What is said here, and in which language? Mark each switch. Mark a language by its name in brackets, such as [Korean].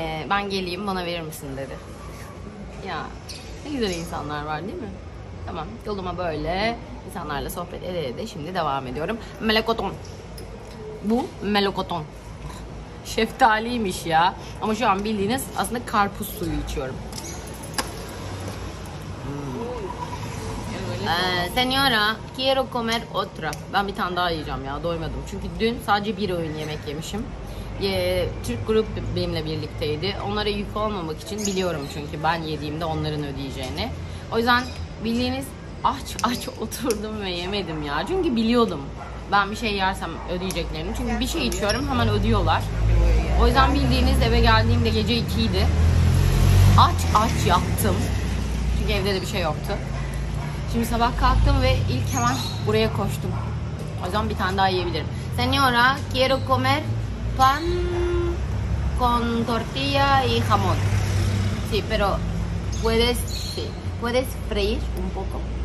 [Turkish] Ben geleyim bana verir misin dedi. Ya ne güzel insanlar var değil mi? Tamam yoluma böyle insanlarla sohbet ede şimdi devam ediyorum. Melakoton. Bu melakoton. Şeftaliymiş ya. Ama şu an bildiğiniz aslında karpuz suyu içiyorum. [Spanish] Senora, quiero comer otra. [Turkish] Ben bir tane daha yiyeceğim ya, doymadım. Çünkü dün sadece bir öğün yemek yemişim. Türk grup benimle birlikteydi. Onlara yük olmamak için biliyorum çünkü ben yediğimde onların ödeyeceğini. O yüzden bildiğiniz aç aç oturdum ve yemedim ya. Çünkü biliyordum ben bir şey yersem ödeyeceklerini. Çünkü bir şey içiyorum hemen ödüyorlar. O yüzden bildiğiniz eve geldiğimde gece 2'ydi. Aç aç yattım. Çünkü evde de bir şey yoktu. Şimdi sabah kalktım ve ilk hemen buraya koştum. O zaman bir tane daha yiyebilirim. [Spanish] Señora, quiero comer pan con tortilla y jamón. Sí, pero puedes, sí, puedes freír un poco.